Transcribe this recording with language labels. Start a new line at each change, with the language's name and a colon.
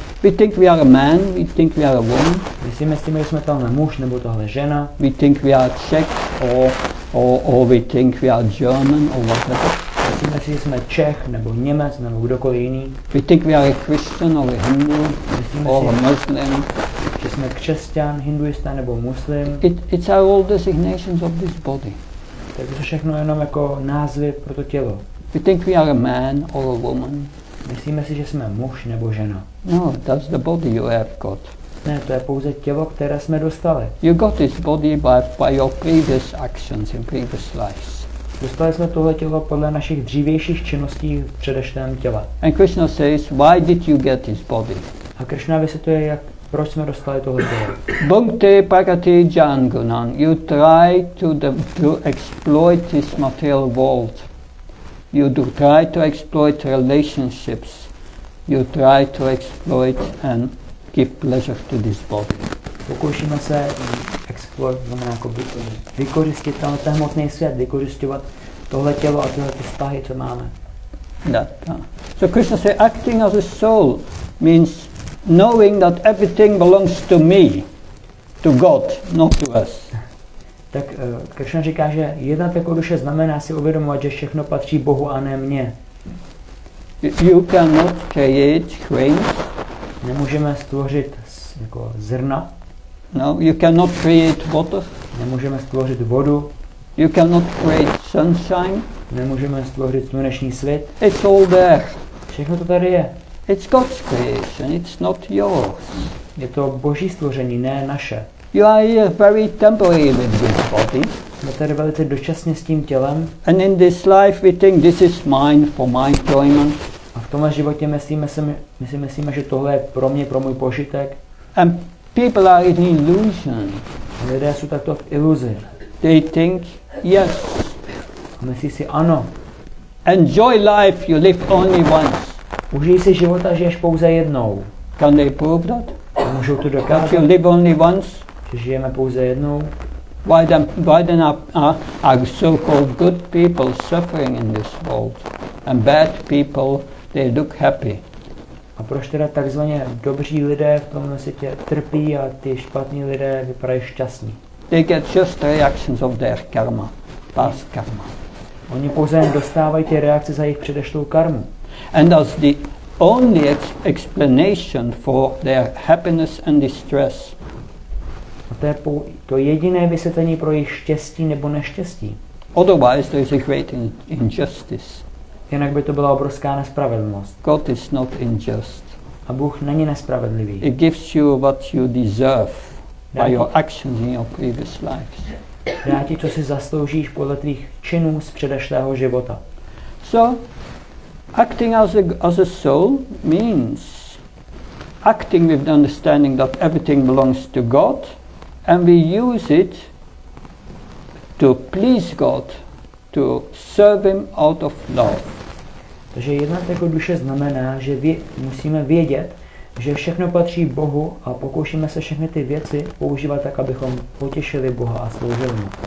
English: We think we are a man, we think we are a woman.
Czech: My si myslíme, že jsme tohle muž nebo tohle žena.
English: We think we are Czech or we think we are German or whatever.
Czech: Myslíme si, že jsme Čech, nebo Němec, nebo kdokoliv jiný.
English: We think we are a Christian, or a Hindu, or a Muslim.
Czech: Že jsme křesťan, hinduista, nebo muslim.
English: It's all designations of this body.
Czech: Takže to všechno jenom jako názvy pro to tělo.
English: We think we are a man or a woman.
Czech: Myslíme si, že jsme muž nebo žena.
English: No, that's the body you have got.
Czech: Ne, to je pouze tělo, které jsme dostali.
English: You got this body by your previous actions in previous lives.
Czech: Dostali jsme tohle tělo podle našich dřívějších činností v předešlém těle.
English: And Krishna says, why did you get this body?
Czech: A Krishna vysvětluje, jak proč jsme dostali tohle tělo.
Sanskrit: Bhukte prakati jangunam.
English: You try to exploit this material world. You do try to exploit relationships. You try to exploit and give pleasure to this body.
Czech: Pokoušíme se exploit, znamená jako vykořistit tenhle hmotný svět, vykořistovat tohle tělo a tyhle vztahy, co máme.
English: So Krishna says, acting as a soul means knowing that everything belongs to me, to God, not to us.
Czech: Tak Krishna říká, že jednat jako duše znamená si uvědomovat, že všechno patří Bohu a ne mně.
English: You cannot create grains.
Czech: Nemůžeme stvořit jako zrna.
English: No, you cannot create water.
Czech: Nemůžeme stvořit vodu.
English: You cannot create sunshine.
Czech: Nemůžeme stvořit sluneční svět.
English: It's all there.
Czech: Všechno to tady je.
English: It's God's creation, it's not yours.
Czech: Je to Boží stvoření, ne naše.
English: You are here very temporary with this body.
Czech: Jsme tady velice dočasně s tím tělem.
English: And in this life we think this is mine for my enjoyment.
Czech: A v tomhle životě myslíme, že tohle je pro mě, pro můj požitek.
English: And people are in illusion.
Czech: A lidé jsou takto v iluzi.
English: They think yes.
Czech: A myslí si ano.
English: Enjoy life, you live only once.
Czech: Užij si života, žiješ pouze jednou.
English: Can they prove that?
Czech: A můžou to dokázat?
English: That you live only once.
Czech: Že žijeme pouze jednou.
English: Why then are so-called good people suffering in this world and bad people they look happy?
Czech: A proč teda takzvaně dobří lidé v tomhle světě trpí a ty špatní lidé vypadají šťastní?
English: They get just reactions of their karma, past karma.
Czech: Oni pouze dostávají ty reakce za jejich předešlou karmu.
English: And that's the only explanation for their happiness and distress.
Czech: A to je to jediné vysvětlení pro jejich štěstí nebo neštěstí.
English: Otherwise there is a great injustice.
Czech: Jinak by to byla obrovská nespravedlnost.
English: God is not unjust.
Czech: A Bůh není nespravedlivý.
English: It gives you what you deserve by your actions in your previous lives.
Czech: Dá ti, co si zasloužíš podle tvých činů z předešlého života.
English: So, acting as a soul means acting with the understanding that everything belongs to God and we use it to please God, to serve Him out of love.
Czech: Takže jedna jako duše znamená, že musíme vědět, že všechno patří Bohu a pokoušíme se všechny ty věci používat tak, abychom potěšili Boha a sloužili Mu.